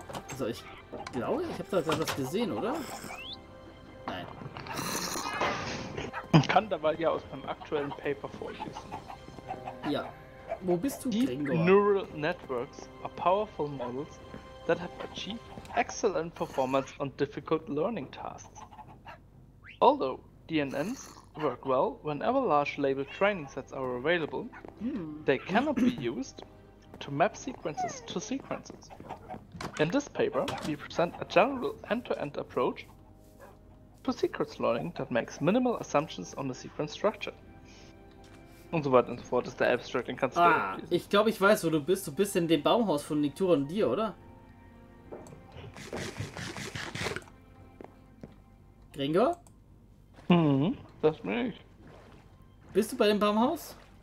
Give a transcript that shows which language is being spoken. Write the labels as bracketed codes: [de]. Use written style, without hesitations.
[de] Also ich glaube, ich habe da gerade was gesehen, oder? Nein. Ich kann dabei ja aus meinem aktuellen Paper vorlesen. Ja. Wo bist du, Deep Gringo? [en] Neural networks are powerful models that have achieved excellent performance on difficult learning tasks. Although DNNs work well whenever large label training sets are available. They cannot be used to map sequences to sequences. In this paper, we present a general end-to-end approach to sequence learning that makes minimal assumptions on the sequence structure. [de] Und so weiter und so fort, ist der Abstract, den kannst du durchlesen. Ich glaube, ich weiß, wo du bist. Du bist in dem Baumhaus von Nictura und dir, oder? Gringo? Das bin ich. Bist du bei dem Baumhaus?